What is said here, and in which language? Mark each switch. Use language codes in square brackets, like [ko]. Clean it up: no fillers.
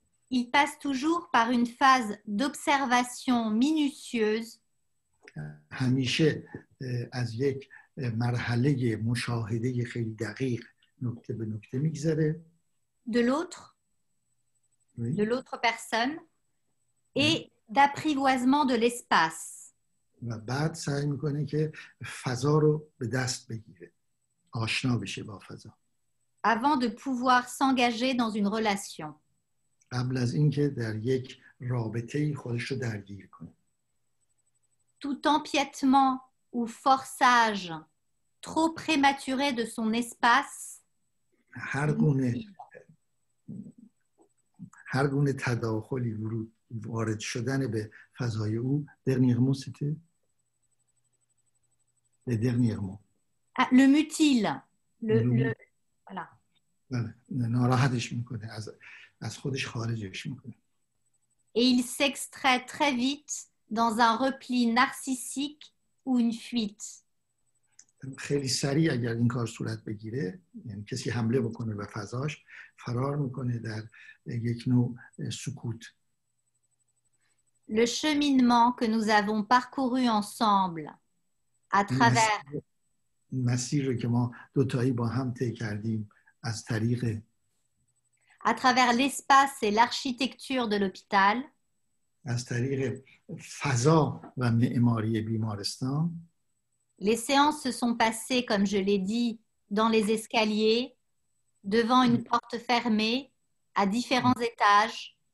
[fr] Il passe toujours par une phase d'observation minutieuse. [fa] همیشه از یک مرحله مشاهده خیلی دقیق نکته به نکته میگذره. [fr] De l'autre. Oui. De l'autre personne. Et d'apprivoisement de l'espace. [fa] و بعد سعی میکنه که فضا رو به دست بگیره. آشنا بشه با فضا. [fr] Avant de pouvoir s'engager dans une relation. [fa] قبل از اینکه در یک رابطه خودش رو درگیر کنه. [fr] Tout empiètement ou forçage trop prématuré de son espace. [fa] هر گونه تداخلی وارد شدن به فضای او [fr] dernièrement c'était le dernier mot. Le mutile le voilà. [fa] ناراحتش میکنه از خودش خارجش میکنه. [fr] Et il s'extrait très vite dans un repli narcissique ou une fuite. [fa] خیلی سریع اگر این کار صورت بگیره، یعنی کسی حمله بکنه به فضاش، فرار میکنه در یک نوع سکوت. [fr] Le cheminement que nous avons parcouru ensemble à travers [fa] مسیری که ما دو تایی با هم طی کردیم از طریق [fr] à travers l'espace et l'architecture de l'hôpital. [fa] از طریق فضا و معماری بیمارستان. [fr] Les séances se sont passées, comme je l'ai dit, dans les escaliers, devant une porte fermée, à différents étages.